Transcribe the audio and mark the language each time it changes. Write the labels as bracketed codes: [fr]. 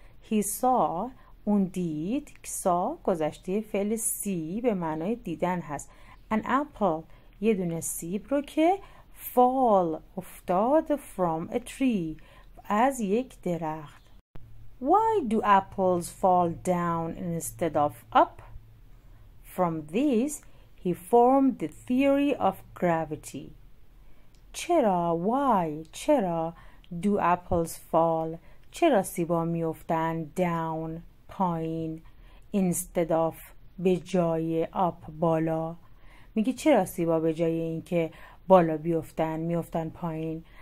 [en] He saw [fa] اون دید [en] saw [fa] گذشته فعل [en] see [fa] به معنای دیدن هست [en] an apple [fa] یه دونه سیب رو که [en] fall [fa] افتاد [en] from a tree [fa] از یک درخت. [en] Why do apples fall down instead of up? From this he formed the theory of gravity. [fa] چرا [en] why [fa] چرا [en] do apples fall [fa] چرا سیبا می افتن [en] down [fa] پایین [en] instead of [fa] به جای [en] up [fa] بالا. میگه چرا سیبا به جای اینکه بالا بیفتن میفتن پایین.